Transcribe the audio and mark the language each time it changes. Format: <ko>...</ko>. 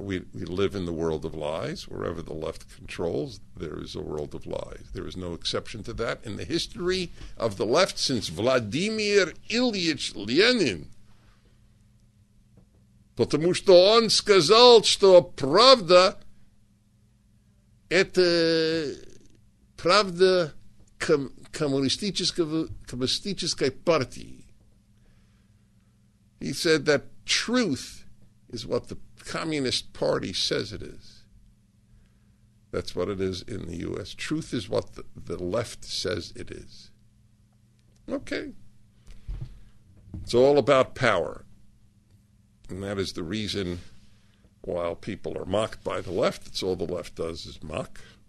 <en>We live in the world of lies. Wherever the left controls, there is a world of lies. There is no exception to that in the history of the left since Vladimir Ilyich Lenin.</en> <ru>Потому что он сказал, что правда это правда коммунистической партии.</ru> <en>He said that truth is what the Communist Party says it is. That's what it is in the U.S. Truth is what the left says it is. Okay. It's all about power. And that is the reason, while people are mocked by the left, it's all the left does is mock.</en>